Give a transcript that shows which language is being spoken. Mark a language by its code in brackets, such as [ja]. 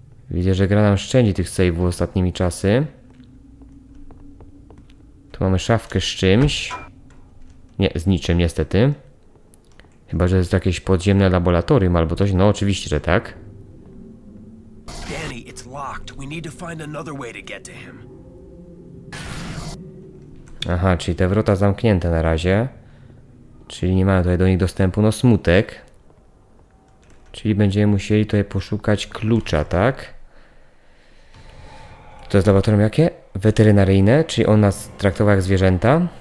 [pl] Widzę, że gra nam szczędzi tych save'ów ostatnimi czasy. Tu mamy szafkę z czymś. Nie, z niczym niestety. Chyba, że jest to jakieś podziemne laboratorium albo coś. No oczywiście, że tak. [en] Danny, it's locked. We need to find another way to get to him. [pl] Aha, czyli te wrota zamknięte na razie. Czyli nie mamy tutaj do nich dostępu. No smutek. Czyli będziemy musieli tutaj poszukać klucza, tak? To jest laboratorium jakie? Weterynaryjne, czyli on nas traktował jak zwierzęta.